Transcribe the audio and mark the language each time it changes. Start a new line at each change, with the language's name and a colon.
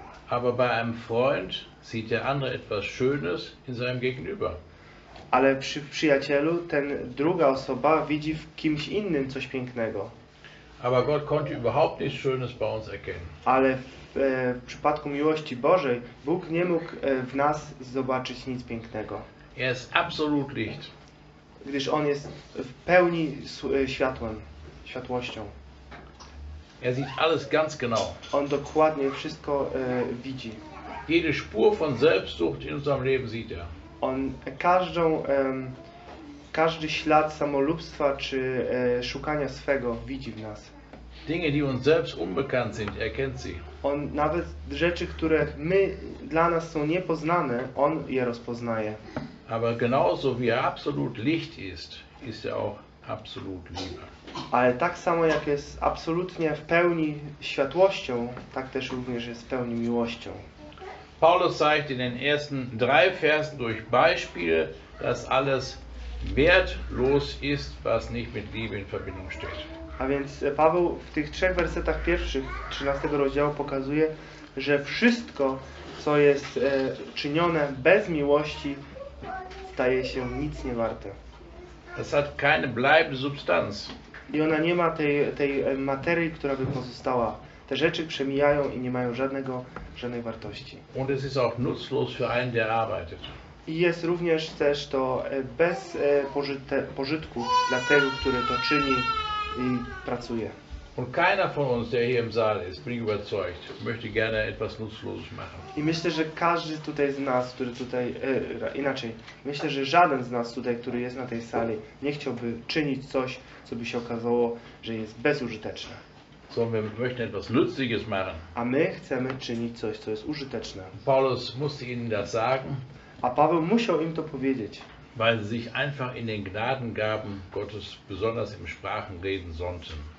German: Aber bei einem Freund sieht der andere etwas Schönes in seinem Gegenüber.
Polish: Ale przy przyjacielu ten druga osoba widzi w kimś innym coś pięknego.
German: Aber Gott konnte überhaupt nichts Schönes bei uns erkennen.
Polish: Ale w przypadku miłości Bożej Bóg nie mógł w nas zobaczyć nic pięknego.
German: Er ist absolut Licht.
Polish: Gdyż on jest w pełni światłem, światłością.
German: Er sieht alles ganz genau.
Polish: On dokładnie wszystko widzi.
German: Jede Spur von Selbstsucht in unserem Leben sieht er.
Polish: On każdą każdy ślad samolubstwa czy szukania swego widzi w nas.
German: Dinge, die uns selbst unbekannt sind, erkennt sie.
Polish: On nawet rzeczy, które dla nas są niepoznane, on je rozpoznaje.
German: Aber genauso wie er absolut Licht ist, ist er auch absolut Liebe.
Polish: Ale tak samo jak jest absolutnie w pełni światłością, tak też również jest w pełni miłością.
German: Paulus zeigt in den ersten drei Versen durch Beispiele, dass alles wertlos ist, was nicht mit Liebe in Verbindung steht.
Polish: A więc Paweł w tych trzech wersetach pierwszych 13 rozdziału pokazuje, że wszystko, co jest czynione bez miłości, staje się nic nie warte.
German: Das hat keine bleibende Substanz.
Polish: I ona nie ma tej materii, która by pozostała. Te rzeczy przemijają i nie mają żadnej wartości.
German: Und es ist auch nutzlos für einen, der arbeitet.
Polish: I jest również też to bez pożytku dla tego, który to czyni i pracuje.
German: Und keiner von uns, der hier im Saal ist, bin überzeugt, möchte gerne etwas Nutzloses machen.
Polish: I myślę, że każdy tutaj z nas, który tutaj, inaczej, myślę, że żaden z nas tutaj, który jest na tej sali, nie chciałby czynić coś, co by się okazało, że jest bezużyteczne.
German: So, wir möchten etwas Nützliches machen.
Polish: A my chcemy czynić coś, co jest użyteczne.
German: Paulus musste ihnen das sagen.
Polish: A Paweł musiał im to powiedzieć.
German: Weil sie sich einfach in den Gnadengaben Gottes besonders im Sprachenreden sonnten.